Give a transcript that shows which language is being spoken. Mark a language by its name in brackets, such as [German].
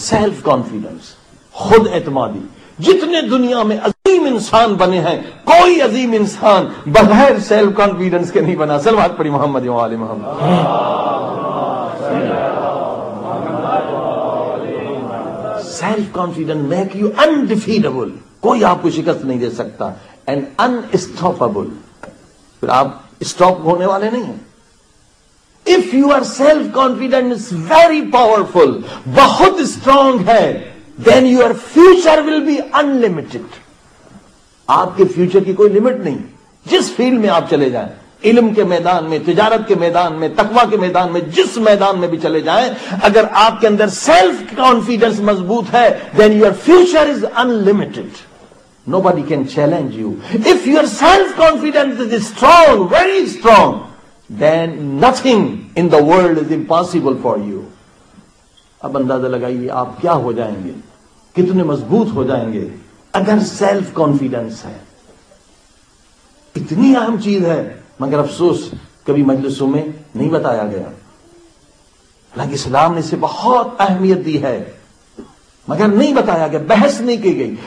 [Urdu] Self confidence, خود اعتمادی. جتنے دنیا میں عظیم انسان بنے ہیں, کوئی عظیم انسان بغیر سیلف کانفیڈنس کے نہیں بنا. صلوات پڑھی محمد و آل محمد. [English] self confidence make you undefeatable, [Urdu] کوئی آپ کو شکست نہیں دے سکتا. [English] and unstoppable, [Urdu] پھر آپ اسٹاپ ہونے والے نہیں ہیں. [English] if you are self confidence very powerful, [Urdu] بہت اسٹرانگ ہے, [English] then your future will be unlimited. [Urdu] آپ کے فیوچر کی کوئی لمٹ نہیں. جس فیلڈ میں آپ چلے جائیں, علم کے میدان میں, تجارت کے میدان میں, تقوی کے میدان میں, جس میدان میں بھی چلے جائیں, اگر آپ کے اندر سیلف کانفیڈنس مضبوط ہے, [English] then your future is unlimited. Nobody can challenge you. If your self-confidence is strong, very strong, then nothing in the world is impossible for you. [Urdu] اب اندازہ لگائیے آپ کیا ہو جائیں گے, کتنے مضبوط ہو جائیں گے اگر سیلف کانفیڈنس ہے. اتنی اہم چیز ہے, مگر افسوس کبھی مجلسوں میں نہیں بتایا گیا. حالانکہ اسلام نے اسے بہت اہمیت دی ہے, مگر نہیں بتایا گیا, بحث نہیں کی گئی.